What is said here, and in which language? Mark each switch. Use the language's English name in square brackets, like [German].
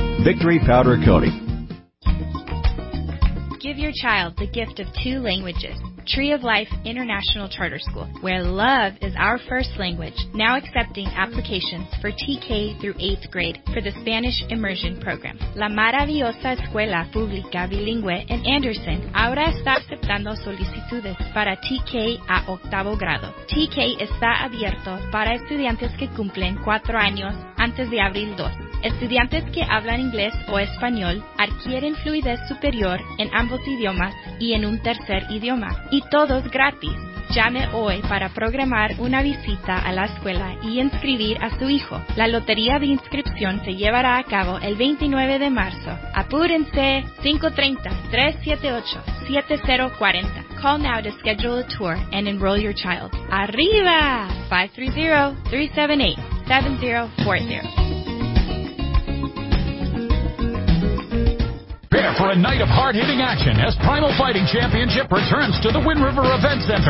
[English] Victory Powder Coating. Give your child the gift of two languages. Tree of Life International Charter School, where love is our first language, now accepting applications for TK through 8th grade for the Spanish Immersion Program. [Spanish] La Maravillosa Escuela Pública Bilingüe en Anderson ahora está aceptando solicitudes para TK a octavo grado. TK está abierto para estudiantes que cumplen 4 años antes de abril 2. Estudiantes que hablan inglés o español adquieren fluidez superior en ambos idiomas y en un tercer idioma. Y todos gratis. Llame hoy para programar una visita a la escuela y inscribir a su hijo. La lotería de inscripción se llevará a cabo el 29 de marzo. Apúrense. 530-378-7040. [English] Call now to schedule a tour and enroll your child. [Spanish] ¡Arriba! 530-378-7040. [English] For a night of hard-hitting action as Primal Fighting Championship returns to the Wind River Event Center.